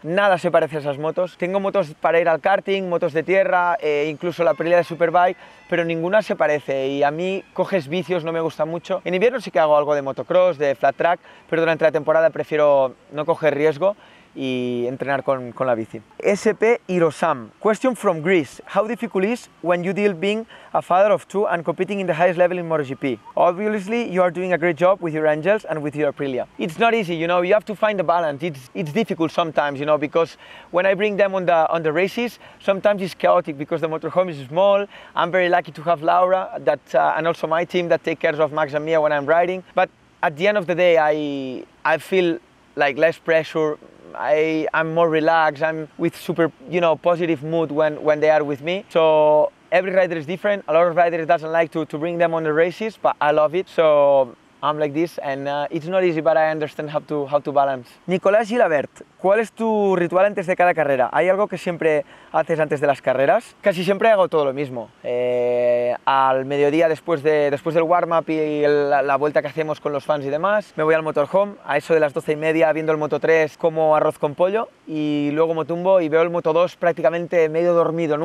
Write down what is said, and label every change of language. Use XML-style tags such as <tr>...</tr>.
<es>Nada se parece a esas motos. Tengo motos para ir al karting, motos de tierra, incluso la Aprilia de Superbike, pero ninguna se parece. Y a mí coges vicios, no me gusta mucho. En invierno sí que hago algo de motocross, de flat track, pero durante la temporada prefiero no coger riesgo y entrenar con la bici.</es> <en>SP Irosam. Question from Greece. How difficult is when you deal being a father of two and competing in the highest level in MotoGP? Obviously, you are doing a great job with your angels and with your Aprilia. It's not easy, you know, you have to find the balance. It's difficult sometimes, you know, because when I bring them on the races, sometimes it's chaotic because the motorhome is small. I'm very lucky to have Laura and also my team that take care of Max and Mia when I'm riding. But at the end of the day, I feel like less pressure. I'm more relaxed, I'm with super, you know, positive mood when they are with me. So every rider is different. A lot of riders doesn't like to bring them on the races, but I love it. So I'm like this, and it's not easy, but I understand how to balance.</en> <es>Nicolás Gilabert, ¿cuál es tu ritual antes de cada carrera? ¿Hay algo que siempre haces antes de las carreras? Casi siempre hago todo lo mismo. Al mediodía, después del warm-up y la vuelta que hacemos con los fans y demás, me voy al motorhome, a eso de las 12:30, viendo el Moto3 como arroz con pollo, y luego me tumbo y veo el Moto2 prácticamente medio dormido.</es>